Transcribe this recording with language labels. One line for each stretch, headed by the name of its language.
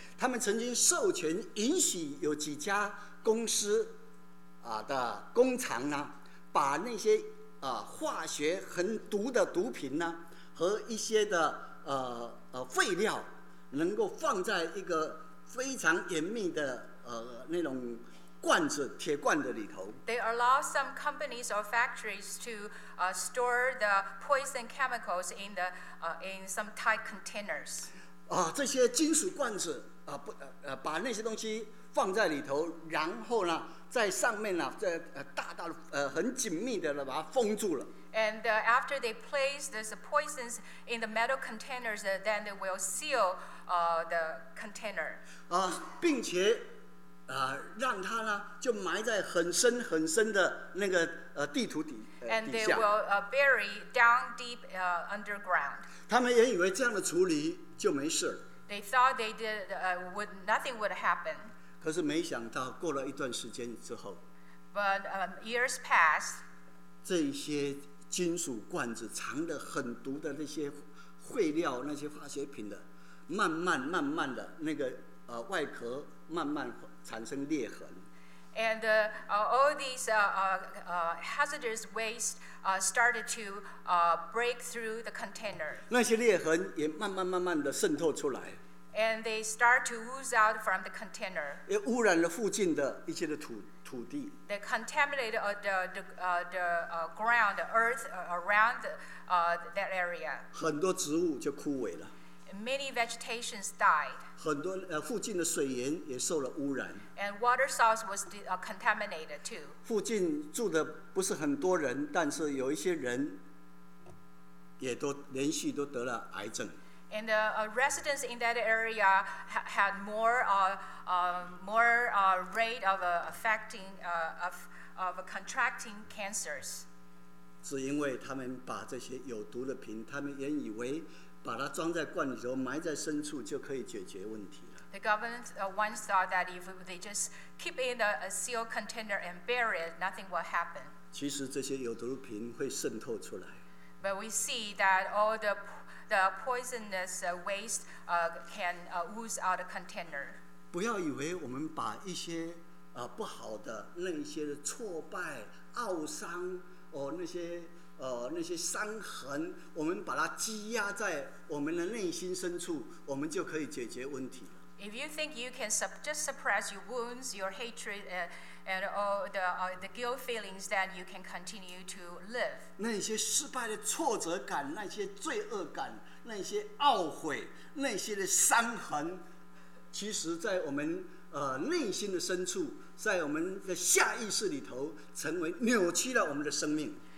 Chinese: 他们曾经授权允许有几家公司的工厂呢，把那些化学很毒的毒品呢和一些的废料，能够放在一个非常严密的那种罐子、铁罐子里头。
English: They allow some companies or factories to store the poison chemicals in the in some tight containers.
Chinese: 这些金属罐子把那些东西放在里头，然后呢，在上面呢，在大大的很紧密的把它封住了。
English: And after they place these poisons in the metal containers, then they will seal the container.
Chinese: 并且让它呢就埋在很深很深的那个地图底。
English: And they will bury down deep underground.
Chinese: 他们也以为这样的处理就没事。
English: They thought they did would nothing would happen.
Chinese: 可是没想到过了一段时间之后。
English: But years passed.
Chinese: 这些金属罐子藏的很毒的那些废料，那些化学品的，慢慢慢慢的那个外壳慢慢产生裂痕。
English: And all these hazardous waste started to break through the container.
Chinese: 那些裂痕也慢慢慢慢的渗透出来。
English: And they start to ooze out from the container.
Chinese: 也污染了附近的一些的土。
English: They contaminated the ground, the earth around that area.
Chinese: 很多植物就枯萎了。
English: Many vegetations died.
Chinese: 很多附近的水源也受了污染。
English: And water source was contaminated too.
Chinese: 附近住的不是很多人，但是有一些人也都连续都得了癌症。
English: And the residents in that area had more rate of contracting cancers.
Chinese: 只因为他们把这些有毒的品，他们原以为把它装在罐里头，埋在深处就可以解决问题了。
English: The government once thought that if they just keep in a sealed container and bury it, nothing will happen.
Chinese: 其实这些有毒的品会渗透出来。
English: But we see that all the poisonous waste can ooze out a container.
Chinese: 不要以为我们把一些不好的那些挫败、懊伤、那些伤痕，我们把它积压在我们的内心深处，我们就可以解决问题了。
English: If you think you can just suppress your wounds, your hatred, and all the guilt feelings, then you can continue to live.
Chinese: 那些失败的挫折感，那些罪恶感，那些懊悔，那些的伤痕，其实在我们内心的深处，在我们的下意识里头，成为扭曲了我们的生命。